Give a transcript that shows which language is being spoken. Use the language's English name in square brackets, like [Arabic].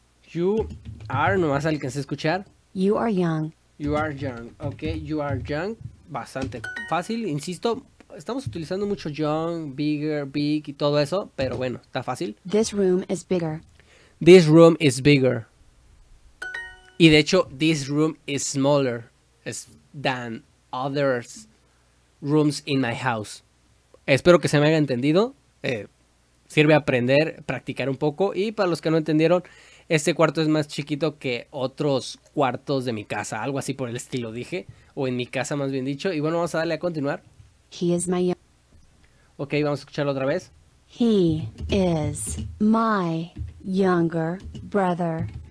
[English] You are. [Spanish] Nomás alcancé a escuchar. [English] You are young. You are young. Ok, you are young. [Spanish] Bastante fácil, insisto. Estamos utilizando mucho young, bigger, big y todo eso, pero bueno, está fácil. [English] This room is bigger. This room is bigger. [Spanish] Y de hecho, [English] this room is smaller than other rooms in my house. [Spanish] Espero que se me haya entendido. Sirve aprender, practicar un poco. Y para los que no entendieron, este cuarto es más chiquito que otros cuartos de mi casa. Algo así por el estilo dije. O en mi casa, más bien dicho. Y bueno, vamos a darle a continuar. [English] He is my young. [Spanish] Ok, vamos a escucharlo otra vez. [English] He is my younger brother.